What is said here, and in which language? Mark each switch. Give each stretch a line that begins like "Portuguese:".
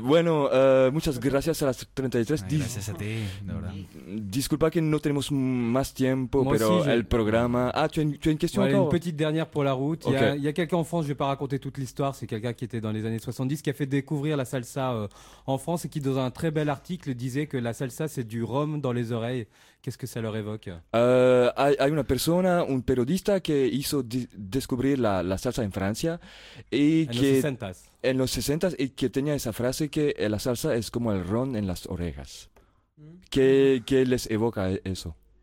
Spanish: Bueno, muchas gracias a las 33. Gracias a ti, de verdad. Disculpa que no tenemos más tiempo,
French: moi
Spanish: pero
French: aussi,
Spanish: el programa...
French: Ah, tu as une question encore? Une petite dernière pour la route. Okay. Il y a quelqu'un en France, je ne vais pas raconter toute l'histoire, c'est quelqu'un qui était dans les années 70, qui a fait découvrir la salsa en France et qui, dans un très bel article, disait que la salsa, c'est du rhum dans les oreilles. Qu'est-ce que ça leur évoque?
Spanish: Hay una persona, un periodista, que hizo descubrir la salsa en Francia.
French: Et en que...
Spanish: los 60s. En los 60s, y que tenía esa frase que la salsa es como el ron en las orejas. ¿Qué les evoca eso?